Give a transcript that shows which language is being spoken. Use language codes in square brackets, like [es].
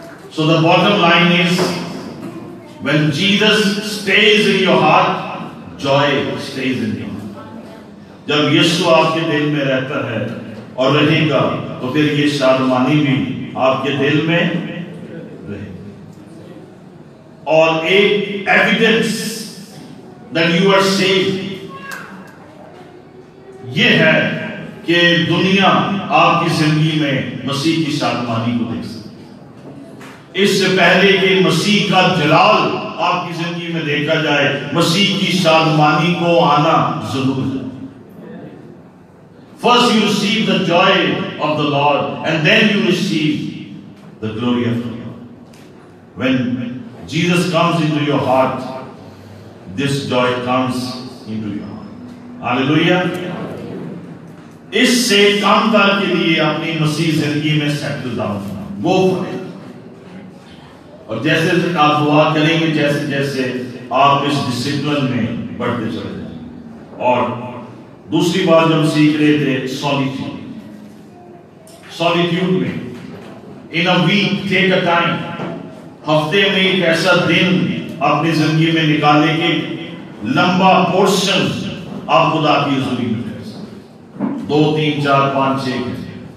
[en] So the bottom line is, when Jesus stays in your heart, joy stays in your heart. [ur] جب یسوع آپ کے دل میں رہتا ہے اور رہے گا، تو پھر یہ شادمانی بھی آپ کے دل میں رہے گی. اور ایک [en] evidence that you are safe [ur] یہ ہے کہ دنیا آپ کی زندگی میں مسیح کی شادمانی کو دیکھ سکتی ہے. اس سے پہلے کہ مسیح کا جلال آپ کی زندگی میں دیکھا جائے، مسیح کی شادمانی کو آنا ضروری ہے. [en] First you receive the joy of the Lord and then you receive the glory of the Lord. When Jesus comes into your heart, this joy comes into your heart. Hallelujah. [ur] اس سے کامدار کے لیے اپنی مسیح زندگی میں سیٹل ڈاؤن ہونا وہ کرے گا. اور جیسے جیسے آپ دعا کریں گے, جیسے جیسے آپ اس ڈسپلن میں بڑھتے چلے جائیں. اور دوسری بات جو ہم سیکھ رہے تھے, سولیٹیوڈ میں, [en] in a week take a time, [ur] ہفتے میں ایک ایسا دن اپنی زندگی میں نکالنے کے لمبا پورشن آپ خدا کی حضوری میں, دو تین چار پانچ چھ گھنٹے,